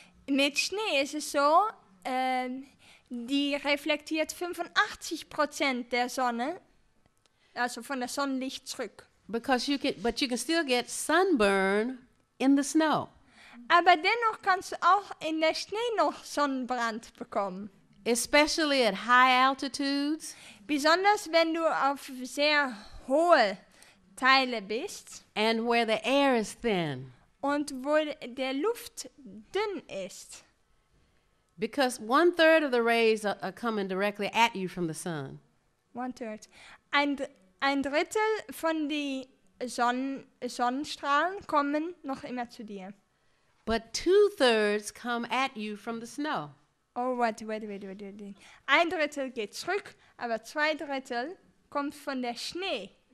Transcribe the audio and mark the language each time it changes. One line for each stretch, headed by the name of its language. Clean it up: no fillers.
German: Mit Schnee ist es so, die reflektiert 85% der Sonne, also von der Sonnenlicht zurück.
English: Because you can, but you can still get sunburn in the snow.
German: Aber dennoch kannst du auch in der Schnee noch Sonnenbrand bekommen.
English: Especially at high altitudes.
German: Besonders wenn du auf sehr hohe Teile bist.
English: And where the air is thin.
German: Und wo der Luft dünn ist.
English: Because one third of the rays are coming directly at you from the sun. One third.
German: Ein Drittel von die Sonnenstrahlen kommen noch immer zu dir.
English: But two thirds come at you from the snow. Oh, wait.
German: Ein Drittel geht zurück, aber zwei Drittel kommt von der Schnee.